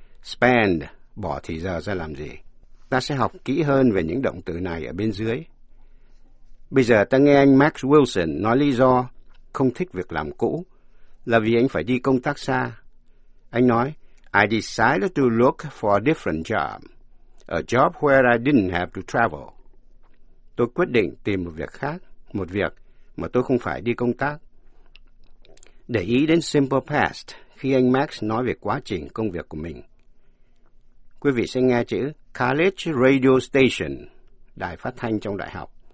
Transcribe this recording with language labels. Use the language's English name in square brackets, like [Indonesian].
[Vietnamese] Spend, bỏ thì giờ ra làm gì. Ta sẽ học kỹ hơn về những động từ này ở bên dưới. Bây giờ ta nghe anh Max Wilson nói lý do không thích việc làm cũ là vì anh phải đi công tác xa. Anh nói, [English] I decided to look for a different job. A job where I didn't have to travel. [Vietnamese] Tôi quyết định tìm một việc khác, một việc mà tôi không phải đi công tác. Để ý đến simple past khi anh Max nói về quá trình công việc của mình. Quý vị sẽ nghe chữ College Radio Station, đài phát thanh trong đại học.